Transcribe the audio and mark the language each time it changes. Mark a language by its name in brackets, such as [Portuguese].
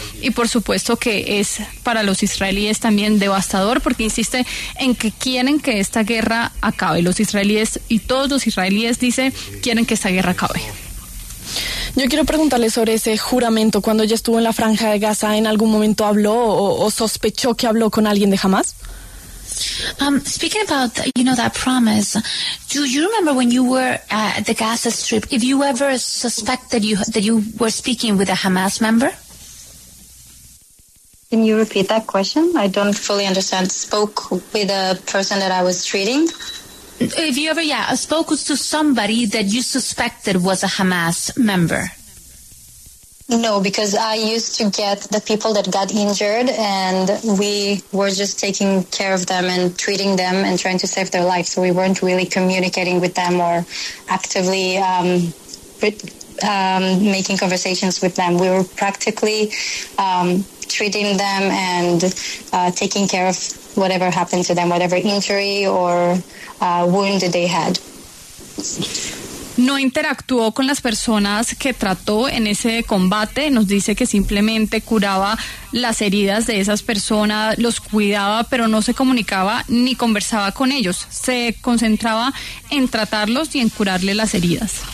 [Spanish] Y por supuesto que es para los israelíes también devastador, porque insiste en que quieren que esta guerra acabe. Los israelíes y todos los israelíes, dice, quieren que esta guerra acabe. Yo quiero preguntarle sobre ese juramento. Cuando ella estuvo en la Franja de Gaza, ¿en algún momento habló o sospechó que habló con alguien de Hamas? [English] Speaking about that promise, do you remember when you were at the Gaza Strip, if you ever suspected that you were speaking with a Hamas member? Can you repeat that question? I don't fully understand. Spoke with a person that I was treating? If you ever, spoke to somebody that you suspected was a Hamas member? No, because I used to get the people that got injured and we were just taking care of them and treating them and trying to save their lives. So we weren't really communicating with them or actively making conversations with them. We were practically treating them and taking care of whatever happened to them, whatever injury or wound that they had. [Spanish] No interactuó con las personas que trató en ese combate. Nos dice que simplemente curaba las heridas de esas personas, los cuidaba, pero no se comunicaba ni conversaba con ellos. Se concentraba en tratarlos y en curarle las heridas.